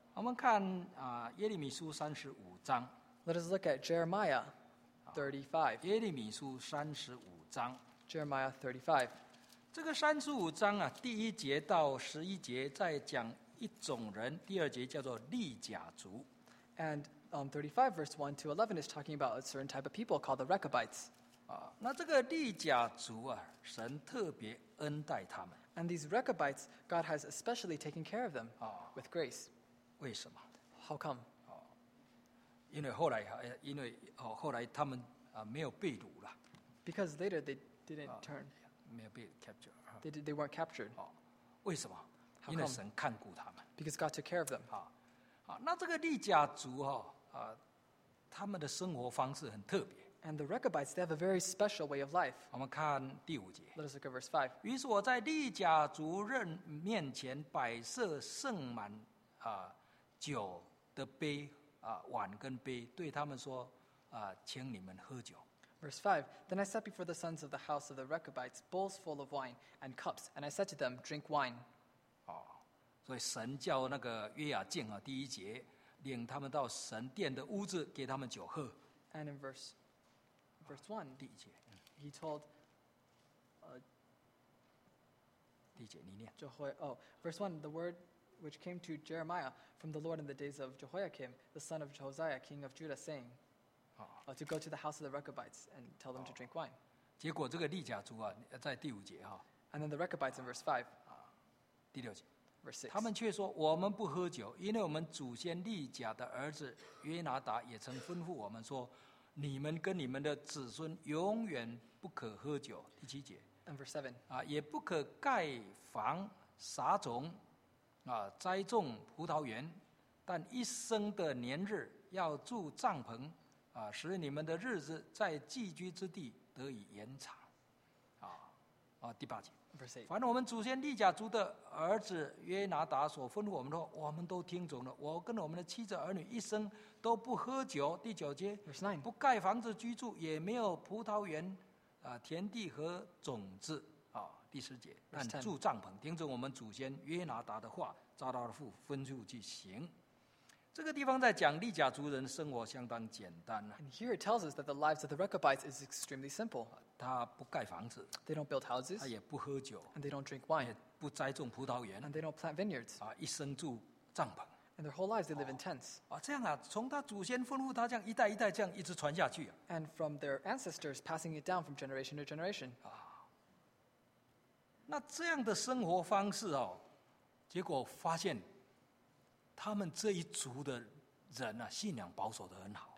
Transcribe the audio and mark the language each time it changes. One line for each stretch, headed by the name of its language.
Chinese: 我们看耶利米书三十五章。
English: Let us look at Jeremiah 35。
Chinese: 耶利米书三十五章
English: ，Jeremiah 35。
Chinese: 这个三十五章啊，第一节到十一节在讲一种人，第二节叫做利甲族。
English: And 35 verse 1 to 11 is talking about a certain type of people called the Rechabites.
Chinese: 那这个利甲族啊，神特别恩待他们。
English: And these Rechabites, God has especially taken care of them with grace.
Chinese: 为什么
English: ？How come？
Chinese: 因为后来他们没有被掳了。
English: Because later they didn't turn.
Chinese: 没有被 captured.
English: They weren't captured.
Chinese: 为什么
English: ？How come？
Chinese: 因为神看顾他们。
English: Because God took care of them.
Chinese: 那这个利甲族他们的生活方式很特别。
English: And the Rechabites, they have a very special way of life.
Chinese: 我们看第五节。
English: Let us look at verse 5.
Chinese: 于是我在利甲族人面前摆设盛满酒的杯碗跟杯，对他们说请你们喝酒。
English: Verse 5. Then I sat before the sons of the house of the Rechabites, bowls full of wine and cups, and I said to them, drink wine.
Chinese: 所以神叫那个约雅敬第一节领他们到神殿的屋子给他们酒喝。
English: And in verse 1,
Chinese: 第一节
English: he told,
Chinese: 第一节你念。
English: Verse 1, the word which came to Jeremiah from the Lord in the days of Jehoiakim, the son of Josiah, king of Judah, saying, to go to the house of the Rechabites and tell them to drink wine.
Chinese: 结果这个利甲族在第五节。
English: And then the Rechabites in verse 5,
Chinese: 第六节。他们却说我们不喝酒，因为我们祖先利甲的儿子约拿达也曾吩咐我们说，你们跟你们的子孙永远不可喝酒。第七节。
English: And verse seven.
Chinese: 也不可盖房撒种栽种葡萄园，但一生的年日要住帐篷使你们的日子在寄居之地得以延长。第八节。反正我们祖先利甲族的儿子约拿达所吩咐我们的话，我们都听从了。我跟我们的妻子儿女一生都不喝酒。第九节，不盖房子居住，也没有葡萄园、田地和种子。第十节，但住帐篷，听从我们祖先约拿达的话，照他的吩咐去行。这个地方在讲利甲族人生活相当简单。
English: And here it tells us that the lives of the Rechabites is extremely simple.
Chinese: 他不盖房子。
English: They don't build houses.
Chinese: 他也不喝酒。
English: And they don't drink wine.
Chinese: 也不栽种葡萄园。
English: And they don't plant vineyards.
Chinese: 一生住帐篷。
English: And their whole lives they live in tents.
Chinese: 这样从他祖先吩咐他这样一代一代这样一直传下去。
English: And from their ancestors passing it down from generation to generation.
Chinese: 那这样的生活方式结果发现他们这一族的人信仰保守得很好。